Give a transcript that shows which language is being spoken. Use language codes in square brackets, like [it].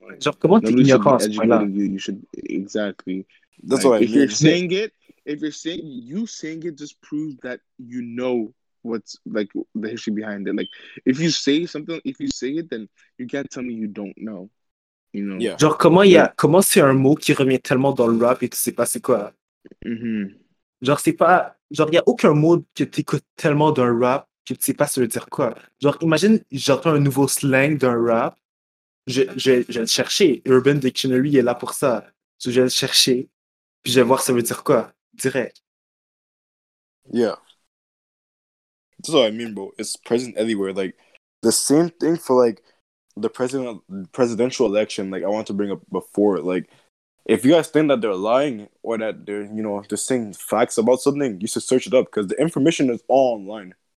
[fr] Genre, comment tu ignores ce point-là? [en] You should, exactly. That's like, what I if If you're saying it, if you're saying, you saying it just proves that you know what's like the history behind it. Like, if you say something, if you say it, then you can't tell me you don't know. You know? Yeah. Genre, comment, yeah. [fr] Comment c'est un mot qui revient tellement dans le rap et tu sais pas c'est quoi? Mm-hmm. Genre, c'est pas. Genre, il y a aucun mot que tu écoutes tellement d'un rap que tu sais pas ce que dire quoi. Genre, imagine, j'entends un nouveau slang d'un rap. Je vais le chercher. Urban Dictionary est là pour ça. Je vais le chercher. Puis je vais voir ça veut dire quoi. Direct. [en] Yeah. That's what I mean, bro. It's present everywhere. Like, the same thing for, like, the presidential election. Like, I want to bring up before. Like, if you guys think that they're lying or that they're, you know, just saying facts about something, you should search it up because the information is all online.